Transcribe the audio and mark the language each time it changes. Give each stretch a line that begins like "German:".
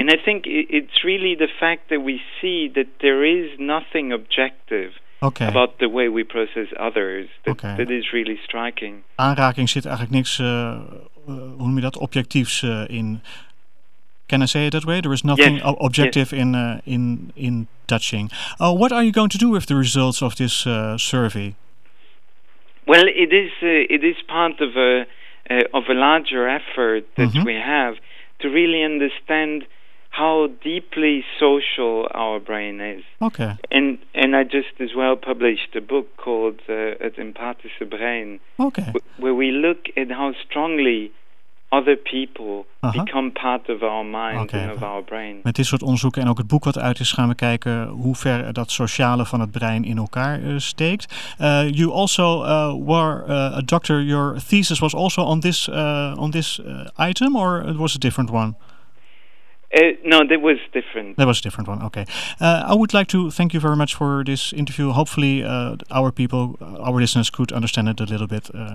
English: And I think it's really the fact that we see that there is nothing objective okay. about the way we process others that is really striking.
Dutch: Aanraking zit eigenlijk niks, hoe noem je dat, objectiefs in.
English: Can I say it that way? There is nothing objective in touching. What are you going to do with the results of this survey? Well, it is part of a larger effort that mm-hmm. we have to really understand how deeply social our brain is. Okay. And I just as well published a book called Het Empathische Brein. Okay. Where we look at how strongly other people uh-huh. become part of our mind okay. and of our brain.
Dutch: Met dit soort onderzoeken en ook het boek wat uit is, gaan we kijken hoe ver dat sociale van het brein in elkaar steekt.
English: You also were a doctor. Your thesis was also on this item, or it was a different one? No, that was different. That was a different one, okay. I would like to thank you very much for this interview. Hopefully our people, our listeners could understand it a little bit.